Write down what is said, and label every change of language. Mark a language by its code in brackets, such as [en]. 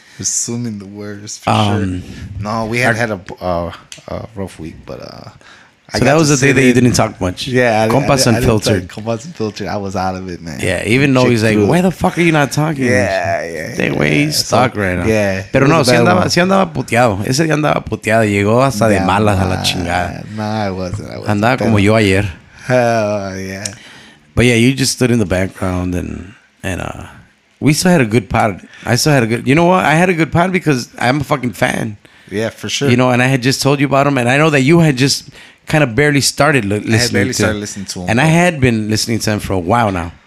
[en] Assuming the worst, for sure. No, we had had a rough week, but... So that was the day that you didn't talk much. Yeah. Compas Unfiltered. Compas Unfiltered. I was out of it, man. Yeah. Even though he's like, why the fuck are you not talking? Yeah. Stuck right now. Yeah. [es] Pero no, si andaba puteado. Ese día andaba puteado. Llegó hasta de malas a la chingada. [en] No, I wasn't. [es] Andaba como yo ayer. [en] yeah. But yeah, you just stood in the background and we still had a good pod. You know what? I had a good pod because I'm a fucking fan. Yeah, for sure. You know, and I had just told you about him, and I know that you had just kind of barely started listening. I had barely started listening to him. And bro, I had been listening to him for a while now.